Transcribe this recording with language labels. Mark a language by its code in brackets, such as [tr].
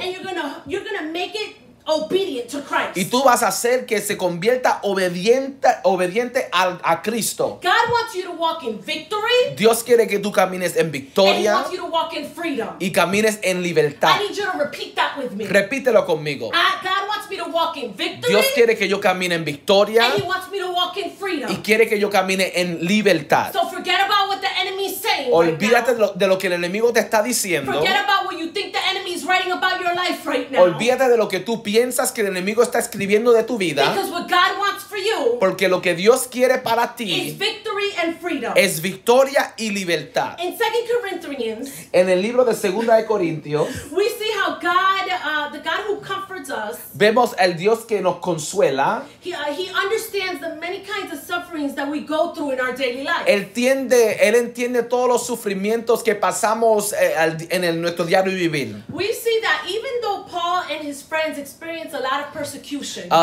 [en] And you're gonna make it obedient to Christ. [es] Y tú vas a hacer que se convierta obediente a Cristo. [en] God wants you to walk in victory. [es] Dios quiere que tú camines en victoria. [en] And he wants you to walk in freedom. [es] Y camines en libertad. [en] I need you to repeat that with me. [es] Repítelo conmigo. [en] God wants me to walk in victory. [es] Dios quiere que yo camine en victoria. [en] And he wants me to walk in freedom. [es] Y quiere que yo camine en libertad. [en] So forget about what the enemy is saying. [es] Olvídate de lo que el enemigo te está diciendo. [en] Forget about what you think the enemy is writing about your life right now. [es] Olvídate de lo que tú piensas que el enemigo está escribiendo de tu vida. [en] Because what God wants for you, [es] porque lo que Dios quiere para ti [en] is victory and freedom. [es] Es victoria y libertad. [en] In 2 Corinthians, [es] en el libro de 2 Corintios, [en] we see how God, the God who comforts us, [es] vemos el Dios que nos consuela. [en] He understands the many kinds of sufferings that we go through in our daily life. [es] Él entiende todos los sufrimientos que pasamos en nuestro diario vivir. [en] We see that even though Paul and his friends experience a lot of persecution.